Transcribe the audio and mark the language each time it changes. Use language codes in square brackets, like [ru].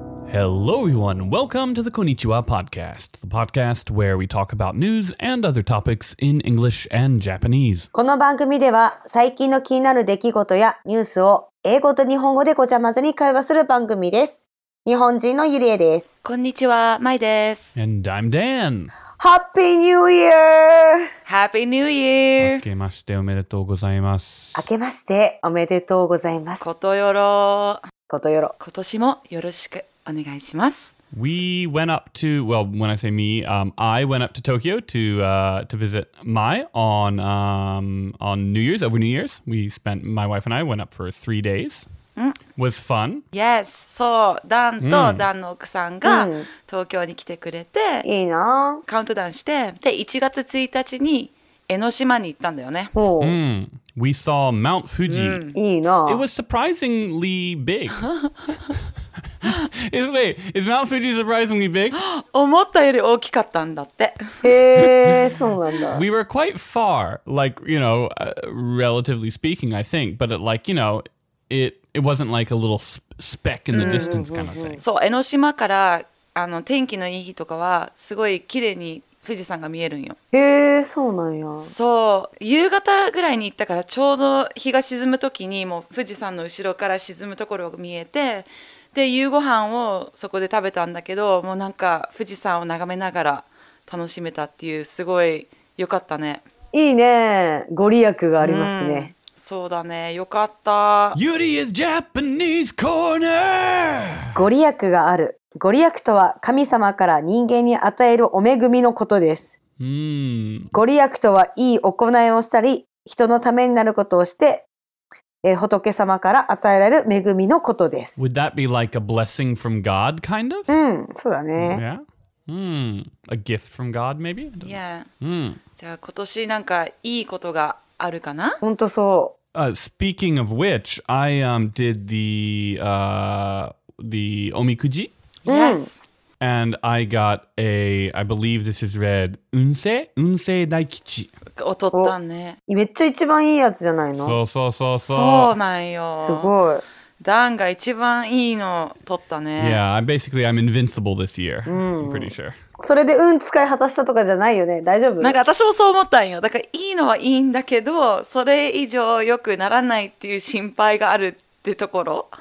[en] Hello everyone, welcome to the Konnichiwa Podcast, the podcast where we talk about news and other topics in English and Japanese. [ja] この番組では最近の気になる出来事やニュースを英語と日本語でごちゃ混ぜに会話する番組です。日本人のゆりえです。こんにちは、まいです。 [en] And I'm Dan. Happy New Year! Happy New Year! [ja] 明けましておめでとうございます。明けましておめでとうございます。ことよろ。ことよろ。今年もよろしくお願いします。 [en] We went up to, well, when I say me, I went up to Tokyo to visit Mai on New Year's, over New Year's. We spent, my wife and I went up for 3 days. Was fun. Yes, so [ja] Dan と Dan の奥さんが東京に来てくれて、いいな。カウントダウンして、で、1月1日に江ノ島に行ったんだよね。 [en] Oh. Mm. We saw Mount Fuji. [ja] いいな。 [en] It was surprisingly big. Is Mount Fuji surprisingly big? [ja] 思ったより大きかったんだって。へえ、そうなんだ。 [en] We were quite far, like, you know, relatively speaking, I think. But it, like, you know, it wasn't like a little speck in the distance kind of thing. [ja] そう、江ノ島から、あの、天気のいい日とかは、すごい綺麗に富士山が見えるんよ。へえ、そうなんや。そう、夕方ぐらいに行ったから、ちょうど日が沈むときに、もう富士山の後ろから沈むところが見えて、で夕ご飯をそこで食べたんだけど、もうなんか富士山を眺めながら楽しめたっていう、すごい良かったね。いいね、ご利益がありますね。そうだね、良かった。 [en] Yurie is Japanese Corner。 [ja] ご利益がある。ご利益とは神様から人間に与えるお恵みのことです。ご利益とは、いい行いをしたり人のためになることをして、仏様から与えられる恵みのことです。 [en] Would that be like a blessing from God, kind of? [ja] そうだね。 [en] Yeah. A gift from God, maybe? Yeah. [ja] じゃあ今年なんかいいことがあるかな？本当そう。 [en] Speaking of which, I did the omikuji. Yes. And I got a, I believe this is read, [ja] 運勢大吉。おとったね。めっちゃ一番いいやつじゃないの？そうそうそうそう。そうなんよ。すごい。ダンが一番いいの取ったね。 [en] Yeah, basically I'm invincible this year. I'm pretty sure. [ja] それで運使い果たしたとかじゃないよね。大丈夫？なんか私もそう思ったんよ。だからいいのはいいんだけど、それ以上良くならないっていう心配があるってところ。